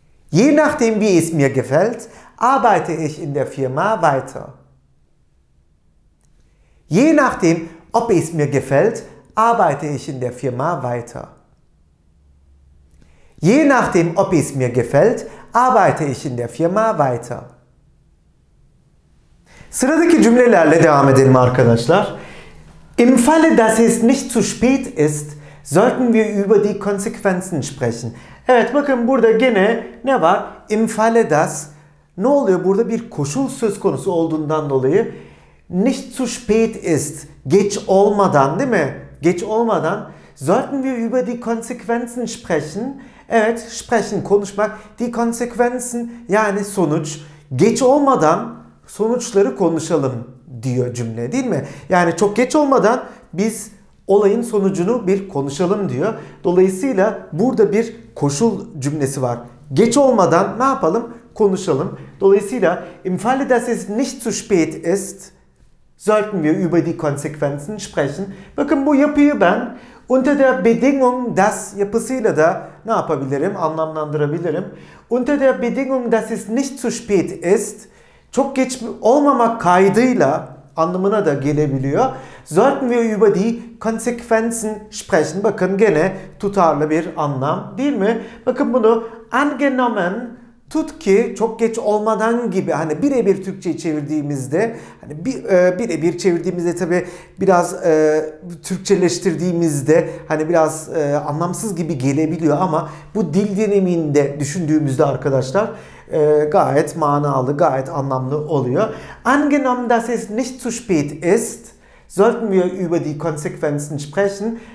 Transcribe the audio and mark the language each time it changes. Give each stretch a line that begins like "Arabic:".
German: Je nachdem, wie es mir gefällt, arbeite ich in der Firma weiter. Je nachdem, ob es mir gefällt, arbeite ich in der Firma weiter. Je nachdem, ob es mir gefällt, arbeite ich in der Firma weiter.
Turkish: Sıradaki cümlelerle devam edelim arkadaşlar.
German: Im Falle, dass es nicht zu spät ist, sollten wir über die Konsequenzen sprechen.
Turkish: Evet, bakın burada gene ne var?
German: Im Falle, dass,
Turkish: ne oluyor? Burada bir koşul söz konusu olduğundan dolayı
German: nicht zu spät ist,
Turkish: geç olmadan, değil mi? Geç olmadan
German: sollten wir über die Konsequenzen sprechen.
Turkish: Evet, sprechen, konuşmak.
German: Die Konsequenzen,
Turkish: yani sonuç, geç olmadan sonuçları konuşalım diyor cümle, değil mi? Yani çok geç olmadan biz olayın sonucunu bir konuşalım diyor. Dolayısıyla burada bir koşul cümlesi var. Geç olmadan ne yapalım? Konuşalım. Dolayısıyla
German: im Falle, dass es nicht zu spät ist, sollten wir über die Konsequenzen sprechen.
Turkish: Bakın bu yapıyı ben
German: Unter der Bedingung des
Turkish: yapısıyla da ne yapabilirim, anlamlandırabilirim.
German: Unter der Bedingung, dass es nicht zu spät ist,
Turkish: çok geç olmamak kaydıyla anlamına da gelebiliyor.
German: Sollten wir über die Konsequenzen sprechen.
Turkish: Bakın gene tutarlı bir anlam değil mi? Bakın bunu angenommen, tut ki çok geç olmadan gibi hani birebir Türkçe'ye çevirdiğimizde hani birebir çevirdiğimizde tabii biraz Türkçeleştirdiğimizde hani biraz anlamsız gibi gelebiliyor ama bu dil deneyiminde düşündüğümüzde arkadaşlar gayet manalı, gayet anlamlı oluyor.
German: Angenommen, dass es nicht zu spät ist, sollten wir über die Konsequenzen sprechen.